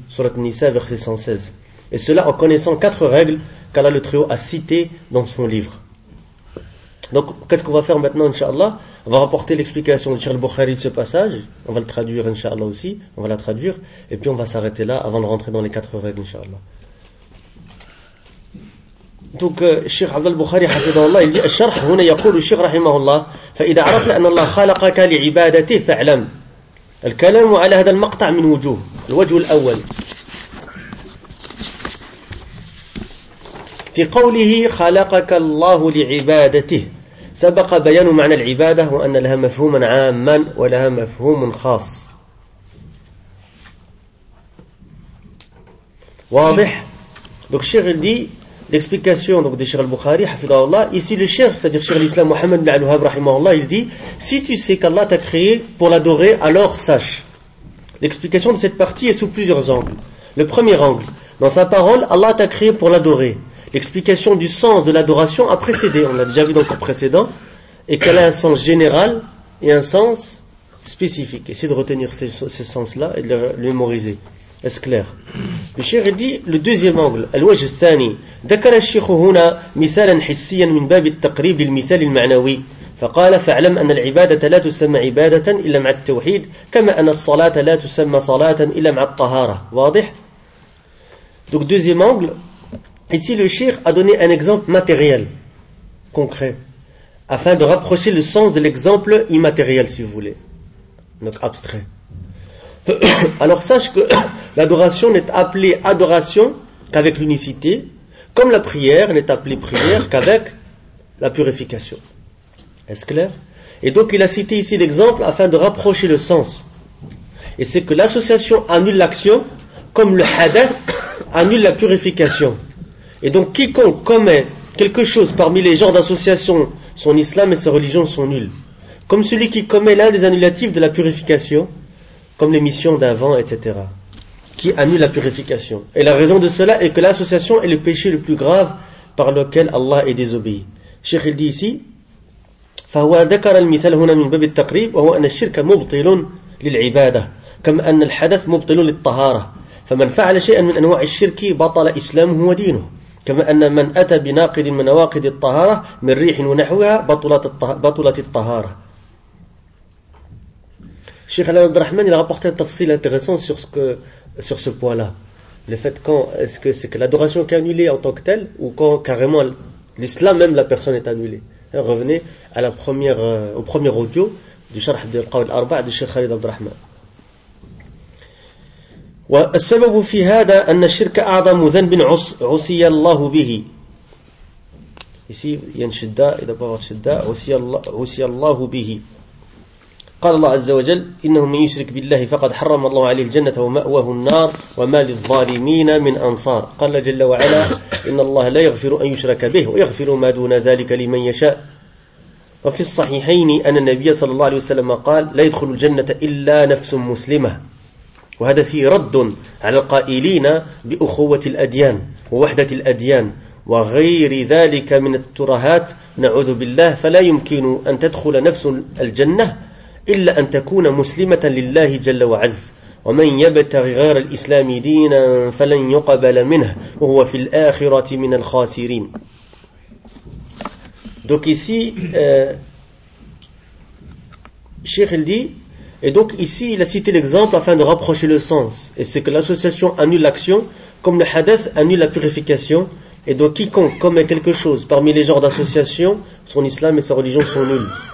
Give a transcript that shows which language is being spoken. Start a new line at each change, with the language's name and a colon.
French: Surat Nisa, verset 116. Et cela en connaissant quatre règles qu'Allah le Très-Haut a citées dans son livre. Donc, qu'est-ce qu'on va faire maintenant, Inch'Allah? On va rapporter l'explication de Cheikh al-Bukhari de ce passage. On va le traduire, Inch'Allah aussi. On va la traduire. Et puis, on va s'arrêter là avant de rentrer dans les quatre règles, Inch'Allah. Donc, Cheikh Abd al-Bukhari, il dit:
Arabic: الشرح هنا يقول الشيخ رحمه الله: فإذا عرفت أن الله خلقك لعبادته فاعلم. الكلام على هذا المقطع من وجوه. الوجه الأول في قوله خلقك الله لعبادته، سبق بيان معنى العبادة وأن لها مفهوما عاما ولها مفهوم خاص. واضح؟
French: Donc, Cheikh dit l'explication donc de Cheikh al-Bukhari, ici le Cheikh, c'est-à-dire Cheikh l'Islam Mohammed ibn al-Wahhab rahimahullah, il dit: si tu sais qu'Allah t'a créé pour l'adorer, alors sache. L'explication de cette partie est sous plusieurs angles. Le premier angle: dans sa parole, Allah t'a créé pour l'adorer. L'explication du sens de l'adoration a précédé, on l'a déjà vu dans le cours précédent, et qu'elle a un sens général et un sens spécifique. Essayez de retenir ces sens-là et de les mémoriser. Est-ce clair? Le Cheikh dit le deuxième angle,
Arabic: الوجه الثاني. ذكر الشيخ هنا مثالا حسيا من باب التقريب للمثال المعنوي. فقال: فاعلم أن العبادة لا تسمى عبادة إلا مع التوحيد، كما أن الصلاة لا تسمى صلاة إلا مع الطهارة. واضح؟
French: Donc deuxième angle, ici le Cheikh a donné un exemple matériel, concret, afin de rapprocher le sens de l'exemple immatériel, si vous voulez, donc abstrait. Alors sache que l'adoration n'est appelée adoration qu'avec l'unicité, comme la prière n'est appelée prière qu'avec la purification. Est-ce clair? Et donc il a cité ici l'exemple afin de rapprocher le sens. Et c'est que l'association annule l'action, comme le hadith annule la purification. Et donc quiconque commet quelque chose parmi les genres d'association, son islam et sa religion sont nuls. Comme celui qui commet l'un des annulatifs de la purification, comme l'émission d'un vent, etc., qui annule la purification. Et la raison de cela est que l'association est le péché le plus grave par lequel Allah est désobéi. Cheikh il dit ici:
Arabic: فَهُوَا ذَكَرَ الْمِثَلْ هُنَا مِنْ بَبِ التَّقْرِيبِ وَهُوَ أَنَ الشِّرْكَ مُبْطِلٌ لِلْعِبَادَةِ كَمَ أَنَّ الْحَدَثِ مُبْطِلٌ لِلْطَّهَارَةِ فَمَنْ فَعَلَ شَيْئًا مِنْ أَنْوَاعِ الشِّرْكِ بَطَلَ إِسْلَامُهُ وَدِينُهُ كما أن من أتى بناقض من نواقض الطهارة من ريح ونحوها بطلت الطهارة.
French: Cheikh Alain Abdurrahman, il a rapporté un tafsil intéressant sur ce point-là. Le fait, quand est-ce que c'est que l'adoration qui est annulée en tant que telle, ou quand carrément l'islam même, la personne est annulée. Revenez à la première, au premier audio du Sharh de Al-Qawl Arba' de Cheikh Khalid Abdurrahman.
Arabic: والسبب في هذا أن الشرك أعظم ذنب عصي الله به. ici ينشد إذا بغض شدة عصي الله به. قال الله عز وجل إنه من يشرك بالله فقد حرم الله عليه الجنة ومأواه النار وما للظالمين من أنصار. قال جل وعلا إن الله لا يغفر أن يشرك به ويغفر ما دون ذلك لمن يشاء. وفي الصحيحين أن النبي صلى الله عليه وسلم قال لا يدخل الجنة إلا نفس مسلمة، وهذا فيه رد على القائلين بأخوة الأديان ووحدة الأديان وغير ذلك من الترهات، نعوذ بالله، فلا يمكن أن تدخل نفس الجنة إلا أن تكون مسلمة لله جل وعز. ومن يبتغ غير الإسلام دينا فلن يقبل منه وهو في الآخرة من الخاسرين.
French: Donc ici, Cheikh il dit, et donc ici il a cité l'exemple afin de rapprocher le sens. Et c'est que l'association annule l'action, comme le hadith annule la purification. Et donc quiconque commet quelque chose parmi les genres d'association, son islam et sa religion sont nuls.